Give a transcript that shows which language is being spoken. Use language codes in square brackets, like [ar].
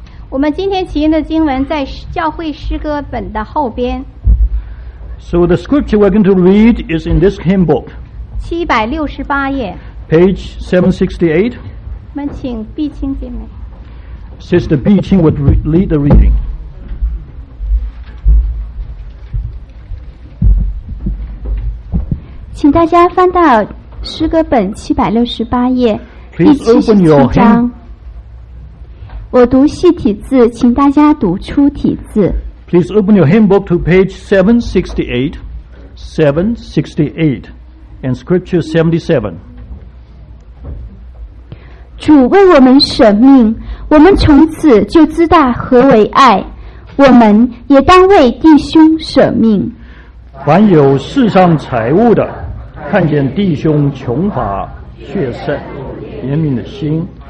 [zh] 我们今天起因的经文在教会诗歌本的后边。 [en] So the scripture we're going to read is in this hymn book. [zh] 768页。 [en] Page 768. [zh] 我们请碧清姐妹。 [en] Sister 碧清 would lead the reading. Please open your hymn. [zh] 我读细体字，请大家读粗体字。 [en] Please open your hymn book to page 768 and scripture 77. [zh] 主为我们舍命，我们从此就知道何为爱，我们也当为弟兄舍命。凡有世上财物的，看见弟兄穷乏，却甚怜悯的心。